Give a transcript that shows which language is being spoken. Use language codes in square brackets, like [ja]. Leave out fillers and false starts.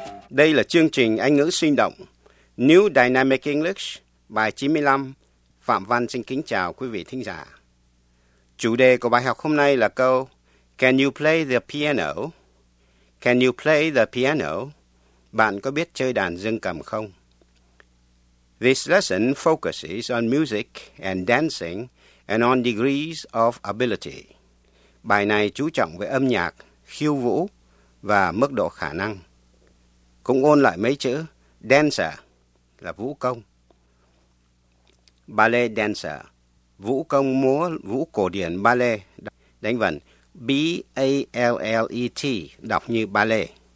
[vi] Đây là chương trình Anh ngữ sinh động New Dynamic English bài 95. Phạm Văn xin kính chào quý vị thính giả. Chủ đề của bài học hôm nay là câu [en] Can you play the piano? Can you play the piano? [vi] Bạn có biết chơi đàn dương cầm không? [en] This lesson focuses on music and dancing and on degrees of ability. [vi] Bài này chú trọng về âm nhạc, khiêu vũ và mức độ khả năng. Cũng ôn lại mấy chữ dancer là vũ công. Ballet dancer, vũ công múa vũ cổ điển ballet, đánh vần B-A-L-L-E-T, đọc như ballet.